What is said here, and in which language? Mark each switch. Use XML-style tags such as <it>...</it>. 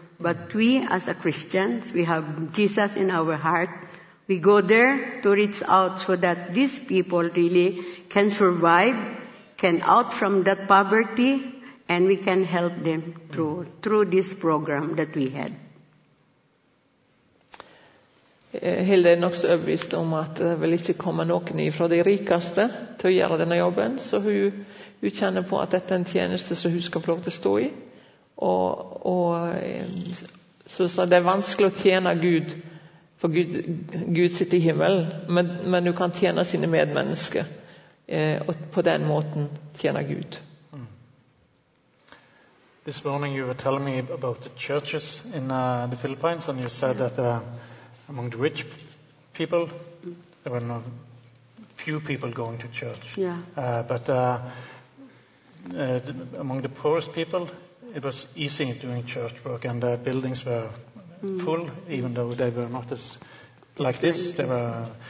<en>But we, as a Christians, we have Jesus in our heart. We go there to reach out so that these people really can survive, can out from that poverty, and we can help them through this program that we had.</en> <no>Hilde er nok så overbevist om at det vil ikke komme noen fra de rikeste til å gjøre denne jobben, så hun kjenner på at dette er en tjeneste som hun skal få lov til å stå i, og synes det er vanskelig å tjene Gud, for Gud sitter i himmelen, men hun kan tjene sine medmennesker og på den måten tjene Gud.</no> <en>This morning you were telling me about the churches in the Philippines, and you said that among the rich people, there were not few people going to church. Among the poorest people, it was easy doing church work, and the buildings were full, even though they were not as like this. They were.</en>